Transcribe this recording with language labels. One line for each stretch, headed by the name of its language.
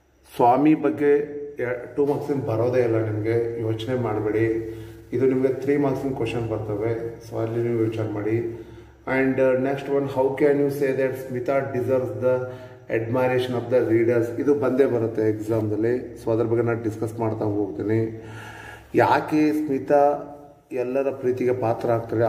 Kannada: ಸ್ವಾಮಿ ಬಗ್ಗೆ ಟೂ ಮಾರ್ಕ್ಸಿನ ಬರೋದೇ ಇಲ್ಲ ನಿಮಗೆ ಯೋಚನೆ ಮಾಡಬೇಡಿ ಇದು ನಿಮಗೆ ತ್ರೀ ಮಾರ್ಕ್ಸಿನ ಕ್ವಶನ್ ಬರ್ತವೆ ಸೊ ಅಲ್ಲಿ ನೀವು ಯೋಚನೆ ಮಾಡಿ
English: And next one, how can you say that Smita deserves the admiration of the readers?
Kannada: ಇದು ಬಂದೇ ಬರುತ್ತೆ ಎಕ್ಸಾಮ್ದಲ್ಲಿ, ಸೊ ಅದ್ರ ಬಗ್ಗೆ ನಾನು ಡಿಸ್ಕಸ್ ಮಾಡ್ತಾ ಹೋಗ್ತೀನಿ. ಯಾಕೆ ಸ್ಮಿತಾ ಎಲ್ಲರ ಪ್ರೀತಿಗೆ ಪಾತ್ರ ಆಗ್ತಾರೆ?